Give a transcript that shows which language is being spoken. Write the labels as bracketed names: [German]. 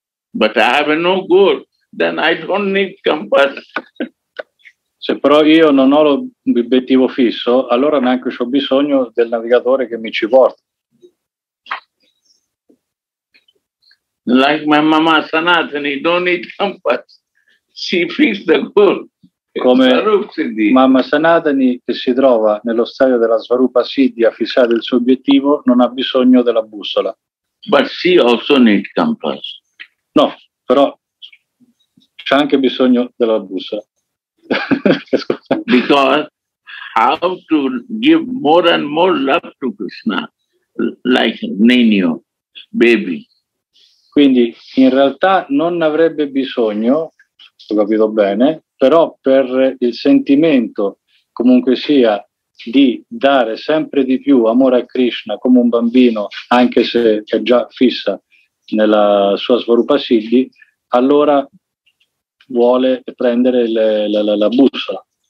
[English] But I have no goal, then I don't need compass. [Italian] Se però io non ho l'obiettivo fisso, allora neanche ho bisogno del navigatore che mi ci porta. [English] Like my mama Sanatani, don't need compass. She fix the goal. [Italian] Come mamma Sanatani che si trova nello stadio della Svarupa Siddhi a fissare il suo obiettivo, non ha bisogno della bussola. [English] But she also need compass. [Italian] No, però c'è anche bisogno della bussola. [English] Because how to give more and more love to Krishna like Nenio baby. [Italian] Quindi in realtà non avrebbe bisogno, ho capito bene, però per il sentimento comunque sia di dare sempre di più amore a Krishna come un bambino, anche se è già fissa nella sua Svarupa Siddhi, allora vuole prendere la bussola.